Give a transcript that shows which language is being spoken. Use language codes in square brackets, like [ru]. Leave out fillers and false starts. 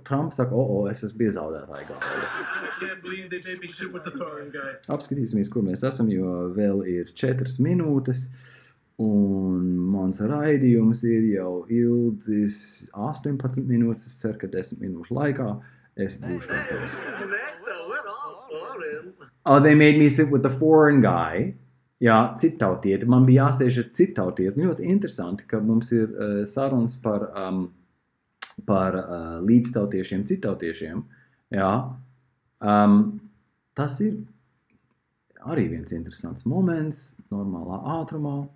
[lv] Trumps saka, es esmu bija zaudētāji galva. Apskatīsimies, kur mēs esam, jo vēl ir 4 minūtes, un mans raidījums ir jau ilgis 18 minūtes, es ceru, ka 10 minūšu laikā es būšu tāpēc. [en] Oh, they made me sit with the foreign guy. [lv] Jā, citautiet. Man bija jāsēž ar citautiet. Ļoti interesanti, ka mums ir sarunas par, līdztautiešiem, citautiešiem. Jā. Tas ir arī viens interesants moments. Normālā ātrumā.